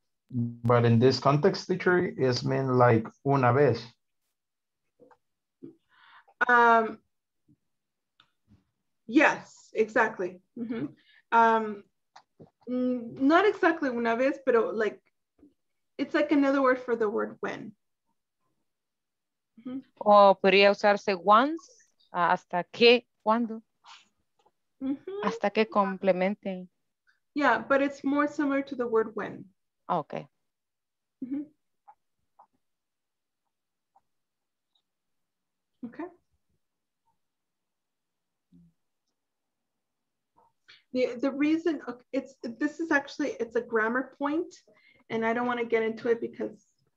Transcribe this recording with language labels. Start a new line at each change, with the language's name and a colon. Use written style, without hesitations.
English: But in this context, teacher, it's mean like
Spanish: una vez.
English: Yes, exactly. Mm-hmm. Not exactly
Spanish: una vez,
English: but like, it's like another word for the word when. Mm-hmm.
Spanish: Oh, podría usarse once, hasta que, cuando, mm-hmm. hasta que complemente.
English: Yeah, but it's more similar to the word when. Okay. Mm-hmm. Okay. The reason it's this is actually it's a grammar point, and I don't want to get into it because